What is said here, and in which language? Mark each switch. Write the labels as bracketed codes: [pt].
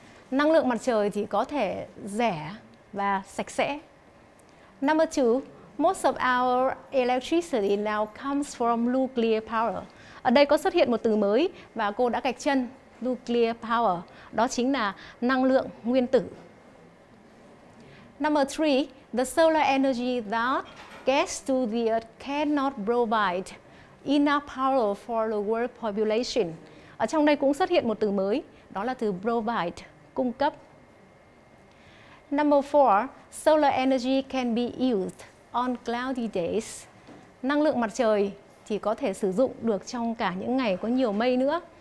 [vi] Năng lượng mặt trời thì có thể rẻ và sạch sẽ. [en] Number two, most of our electricity now comes from nuclear power. [vi] Ở đây có xuất hiện một từ mới và cô đã gạch chân, nuclear power. Đó chính là năng lượng nguyên tử. [en] Number three, the solar energy that gets to the earth cannot provide enough power for the world population. [vi] Ở trong đây cũng xuất hiện một từ mới, đó là từ provide, cung cấp. [en] Number four, solar energy can be used on cloudy days. [vi] Năng lượng mặt trời thì có thể sử dụng được trong cả những ngày có nhiều mây nữa.